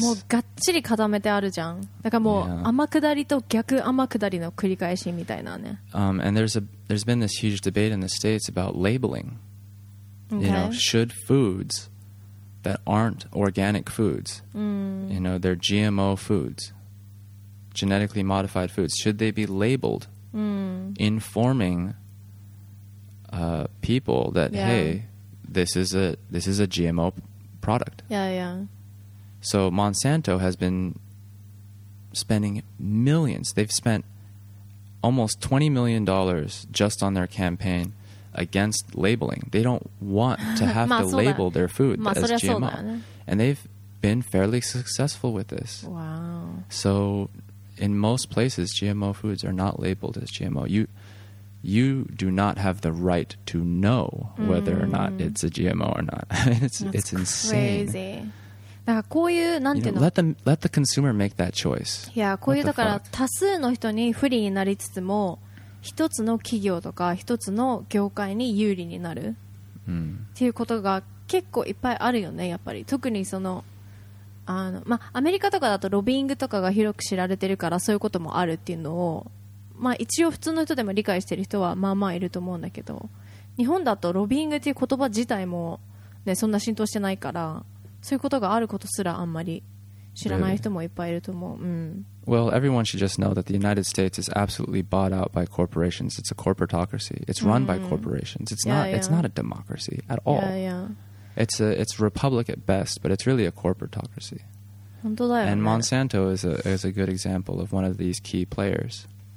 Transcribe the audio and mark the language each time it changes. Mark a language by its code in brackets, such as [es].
[ja] もうがっちり固めてあるじゃん。だからもう天下りと逆天下りの繰り返しみたいなね。 [en] And there's been this huge debate in the States about labeling. Okay. You know, should foods that aren't organic foods, you know, they're GMO foods, genetically modified foods, should they be labeled? Informing people that hey, this is a GMO product. So Monsanto has been spending millions. They've spent almost $20 million just on their campaign against labeling. They don't want to have to label their food as GMO. And they've been fairly successful with this. Wow. So in most places, GMO foods are not labeled as GMO. You do not have the right to know whether or not it's a GMO or not. it's insane. [ja] だからこういうなんていうの [en] let the consumer make that choice. [ja] いやこういうだから多数の人に不利になりつつも一つの企業とか一つの業界に有利になる、っていうことが結構いっぱいあるよね。やっぱり特にそのまあ、アメリカとかだとロビングとかが広く知られてるからそういうこともあるっていうのを、まあ、一応普通の人でも理解してる人はまあまあいると思うんだけど、日本だとロビングっていう言葉自体も、ね、そんな浸透してないから、そういうことがあることすらあんまり知らない人もいっぱいいると思う、 [en] Well, everyone should just know that the United States is absolutely bought out by corporations. It's a corporatocracy. It's run by corporations. It's not a democracy at all. It's a republic at best, but it's really a corporatocracy. And Monsanto is a good example of one of these key players.